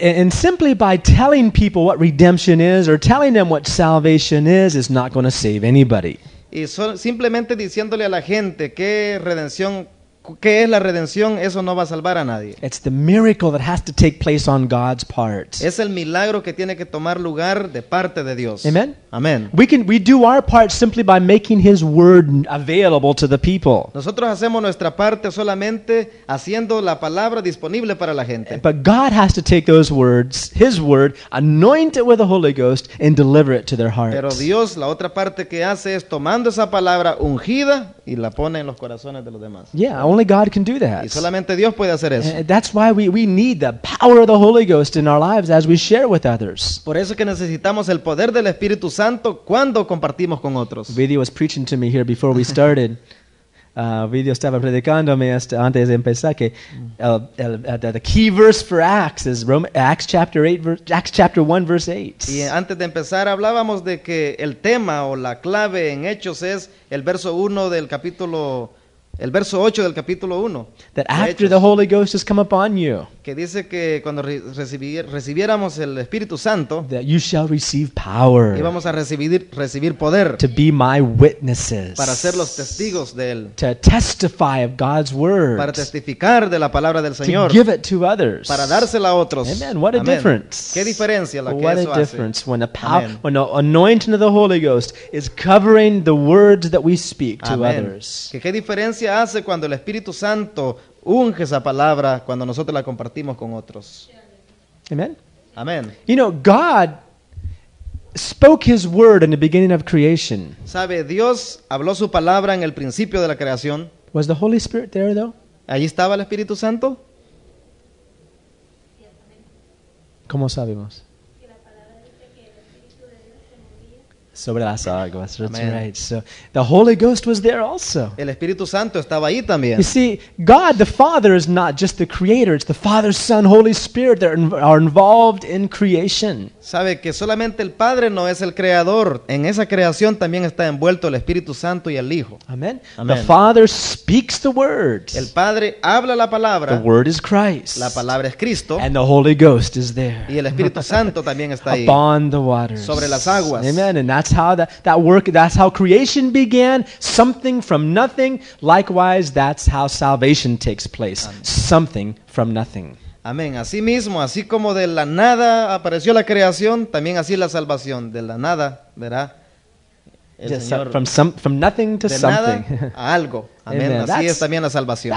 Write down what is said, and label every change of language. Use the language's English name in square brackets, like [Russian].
[English] And simply by telling people what redemption is or telling them what salvation is not going to save anybody. [Spanish] Y simplemente diciéndole a la gente qué redención ¿qué es la redención? Eso no va a salvar a nadie. [English] It's the miracle that has to take place on God's part. [Spanish] Es el milagro que tiene que tomar lugar de parte de Dios. Amen. Amen. [English] We do our part simply by making his word available to the people. [Spanish] Nosotros hacemos nuestra parte solamente haciendo la palabra disponible para la gente. [English] But God has to take those words, his word, anoint it with the Holy Ghost and deliver it to their hearts. [Spanish] Pero Dios, la otra parte que hace es tomando esa palabra ungida y la pone en los corazones de los demás. [English] Yeah, only God can do that. [Spanish] Y solamente Dios puede hacer eso. [English] That's why we need the power of the Holy Ghost in our lives as we share with others. [Spanish] Por eso que necesitamos el poder del Espíritu Santo cuando compartimos con otros. [English] Video was preaching to me here before we started. [Spanish] Video estaba predicándome hasta antes de empezar que [English] the key verse for Acts is Acts chapter 1 verse 8. [Spanish] Y antes de empezar hablábamos de que el tema o la clave en Hechos es el verso 1 del capítulo el verso 8 del capítulo 1. [English] That after the Holy Ghost has come upon you. [Spanish] Que dice que cuando recibiéramos el Espíritu Santo, [English] that you shall receive power. [Spanish] Y vamos a recibir poder. [English] To be my witnesses. [Spanish] Para ser los testigos de él. [English] To testify of God's word. [Spanish] Para testificar de la palabra del Señor. [English] To give it to others. [Spanish] Para dársela a otros. [English] Amen. What a Amen. Difference. [Spanish] Qué diferencia la que [English] what [Spanish] eso hace. [English] What a difference when when the anointing of the Holy Ghost is covering the words that we speak to Amen. Others. [Spanish] Que qué diferencia hace cuando el Espíritu Santo unge esa palabra cuando nosotros la compartimos con otros. Amen. Amen. [English] You know, God spoke his word in the beginning of creation. [Spanish] ¿Sabe? Dios habló su palabra en el principio de la creación. [English] Was the Holy Spirit there though? [Spanish] ¿Allí estaba el Espíritu Santo? ¿Cómo sabemos? sobre las aguas. [English] That's Amen. Right. So the Holy Ghost was there also. [Spanish] El Espíritu Santo estaba ahí también. [English] You see, God the Father is not just the creator, it's the Father, Son, Holy Spirit that are involved in creation. [Spanish] Sabe que solamente el Padre no es el creador, en esa creación también está envuelto el Espíritu Santo y el Hijo. Amen. Amen. [English] The Father speaks the word. [Spanish] El Padre habla la palabra. [English] The word is Christ. [Spanish] La palabra es Cristo. [English] And the Holy Ghost is there. [Spanish] Y el Espíritu Santo también está ahí. [English] Upon the waters. [Spanish] Sobre las aguas. Amen. [English] And that's how that work, that's how creation began, something from nothing. Likewise, that's how salvation takes place. Amen. Something from nothing. [Spanish] Amén. Así mismo, así como de la nada apareció la creación, también así la salvación. De la nada, ¿verdad? [English] From nothing to [Spanish] de [English] something. [Spanish] Nada a algo. Amén. Amen. Así es también la salvación.